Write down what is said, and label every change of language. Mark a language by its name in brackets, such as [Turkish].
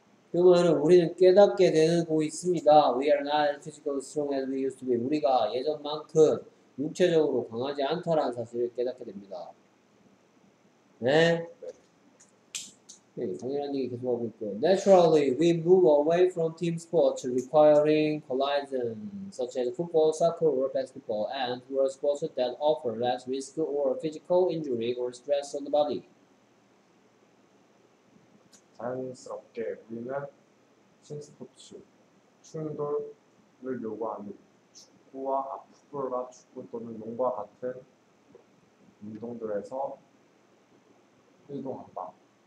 [English] 그러면 우리는 깨닫게 되고 있습니다. We are not physically strong as we used to be. 우리가 예전만큼 [Korean] 육체적으로 강하지 않다라는 사실을 깨닫게 됩니다. 네? 네, 당연한 얘기 계속하고 있고. [English] Naturally, we move away from team sports requiring collision, such as football, soccer, or basketball, and toward sports that offer less risk or physical injury or stress on the body. [Korean] 자연스럽게 우리는 팀 스포츠, 충돌을 요구하는 축구와 풋볼과 축구 또는 농구와 같은 운동들에서 활동한다.